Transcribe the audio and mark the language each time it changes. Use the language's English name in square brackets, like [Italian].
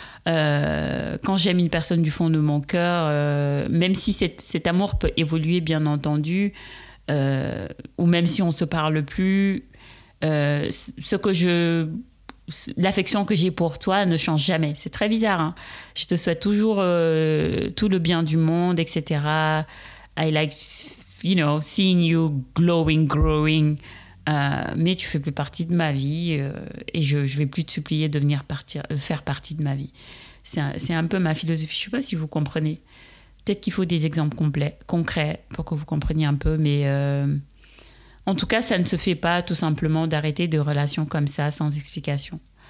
[French] Quand j'aime une personne du fond de mon cœur, même si cet amour peut évoluer, bien entendu, ou même si on se parle plus, l'affection que j'ai pour toi ne change jamais. C'est très bizarre. Hein? Je te souhaite toujours tout le bien du monde, etc. [English] I like, you know, seeing you glowing, growing. [French] Mais tu fais plus partie de ma vie et je vais plus te supplier de venir faire partie de ma vie. C'est un peu ma philosophie. Je sais pas si vous comprenez. Peut-être qu'il faut des exemples concrets pour que vous compreniez un peu, mais en tout cas, ça ne se fait pas tout simplement d'arrêter des relations comme ça sans explication.